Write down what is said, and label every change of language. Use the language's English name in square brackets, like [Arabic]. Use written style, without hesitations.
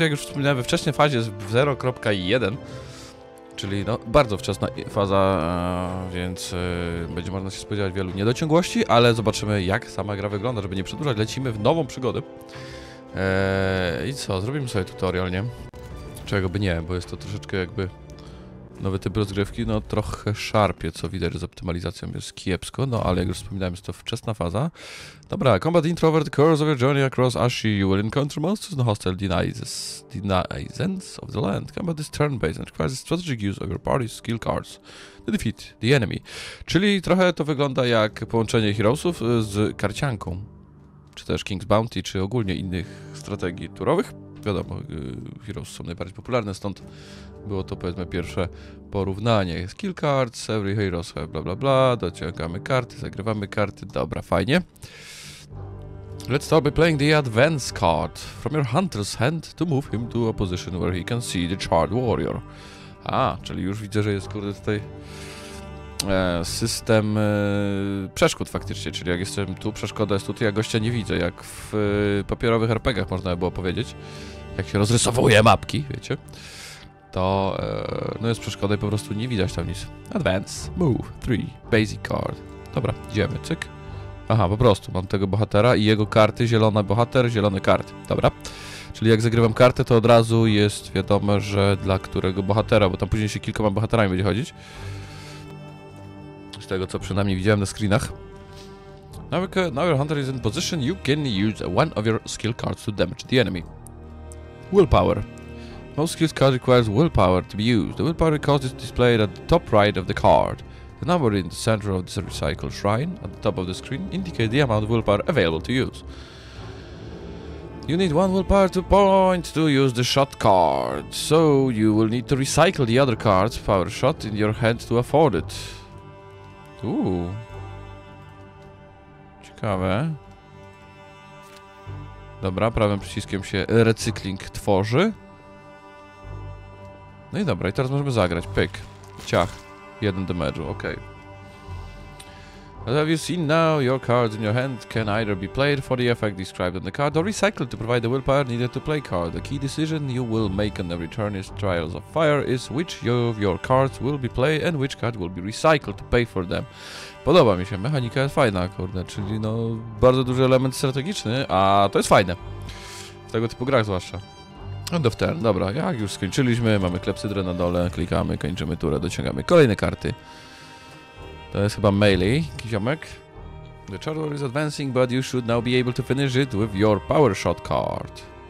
[Polish] Jak już wspominałem, we wcześniej fazie jest 0.1, czyli no bardzo wczesna faza, więc będzie można się spodziewać wielu niedociągłości, ale zobaczymy jak sama gra wygląda, żeby nie przedłużać. Lecimy w nową przygodę. I co, zrobimy sobie tutorial, nie? Czego by nie, bo jest to troszeczkę jakby nowy typ rozgrywki, no trochę szarpie, co widać, że z optymalizacją jest kiepsko, no ale jak już wspominałem, jest to wczesna faza. Dobra, [English] combat intro over the course of your journey across Ashi, you will encounter monsters in hostile denizens of the land. Combat is turn-based and requires strategic use of your party's skill cards to defeat the enemy. [Polish] Czyli trochę to wygląda jak połączenie Heroesów z karcianką, czy też King's Bounty, czy ogólnie innych strategii turowych. Wiadomo, Heroes są najbardziej popularne, stąd było to powiedzmy pierwsze porównanie. [English] Skill cards, every hero, [Polish] bla bla bla, dociągamy karty, zagrywamy karty, dobra, fajnie. [English] Let's start by playing the advance card from your hunter's hand to move him to a position where he can see the charred warrior. [Polish] A, czyli już widzę, że jest kurde tutaj system przeszkód faktycznie, czyli jak jestem tu, przeszkoda jest tutaj, ja gościa nie widzę, jak w papierowych RPGach można by było powiedzieć, jak się rozrysowuje mapki, wiecie, to no jest przeszkoda i po prostu nie widać tam nic. [English] Advance, move, 3, basic card. [Polish] Dobra, idziemy, cyk. Aha, po prostu, mam tego bohatera i jego karty, zielony bohater, zielone karty. Dobra, czyli jak zagrywam kartę, to od razu jest wiadomo, że dla którego bohatera, bo tam później się kilkoma bohaterami będzie chodzić. Z tego, co przynajmniej widziałem na screenach. [English] Now your hunter is in position, you can use one of your skill cards to damage the enemy. Willpower. Most skill cards requires willpower to be used. The willpower cost is displayed at the top right of the card. The number in the center of the recycle shrine at the top of the screen indicates the amount of willpower available to use. You need one willpower to point to use the shot card. So you will need to recycle the other card's power shot in your hand to afford it. Ooh. [Polish] Ciekawe. Dobra, prawym przyciskiem się recykling tworzy. No i dobra, i teraz możemy zagrać. Pyk. Ciach. Jeden damage'u, okej. Okay. [English] As you've seen now, your cards in your hand can either be played for the effect described on the card or recycled to provide the willpower needed to play card. The key decision you will make on every turn is Trials of Fire is which of your cards will be played and which card will be recycled to pay for them. [Polish] Podoba mi się, mechanika jest fajna, kurde, czyli no bardzo duży element strategiczny, a to jest fajne. W tego typu grach zwłaszcza. [English] End of turn. [Polish] Dobra, jak już skończyliśmy, mamy klepsydrę na dole, klikamy, kończymy turę, dociągamy kolejne karty. To jest chyba melee, kiziomek. [English] The charter is advancing, but you should now be able to finish it with your power shot card.